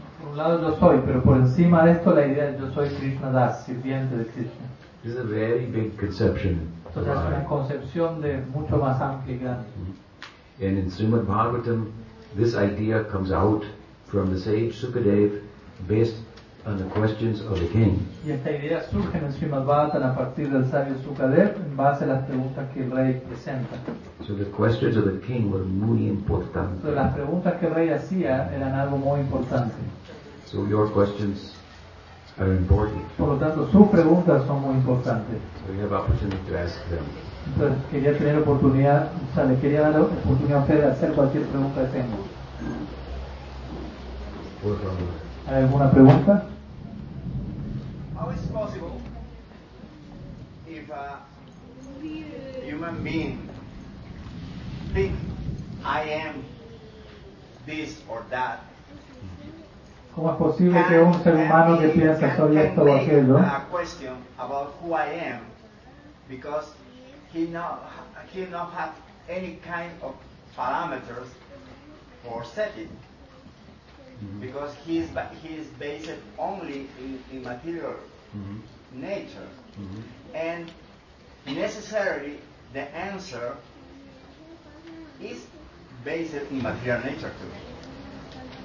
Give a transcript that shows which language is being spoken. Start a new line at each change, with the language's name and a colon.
Spanish: Por un lado yo soy, pero por encima de esto la idea yo soy Krishna Dasa, sirviente de Krishna.
English: This is a very big conception.
Spanish: Entonces es una concepción de mucho más amplia y grande.
English: And in Srimad Bhagavatam, this idea comes out from the sage Sukadeva based on the questions of the king.
Spanish: Y esta idea surge en el Srimad Bhagavatam a partir del sabio Sukadev en base a las preguntas que el rey presenta.
English: So the questions of the king were
Spanish: muy importantes. So las preguntas que el rey hacía eran algo muy importante.
English: So your questions are important.
Spanish: Por lo tanto, sus preguntas son muy importantes.
English: So you have opportunity to ask them.
Spanish: Entonces, quería tener oportunidad, o sea, le quería dar oportunidad a usted de hacer cualquier pregunta que tenga. Por favor. ¿Hay alguna pregunta?
English: How is it possible if a human being think I am this or that?
Spanish: ¿Cómo es posible que un ser humano que piensa soy esto o aquello?
English: A question about who I am because he not have any kind of parameters for setting. Because he is based only in material nature, and necessarily the answer is based in material nature too.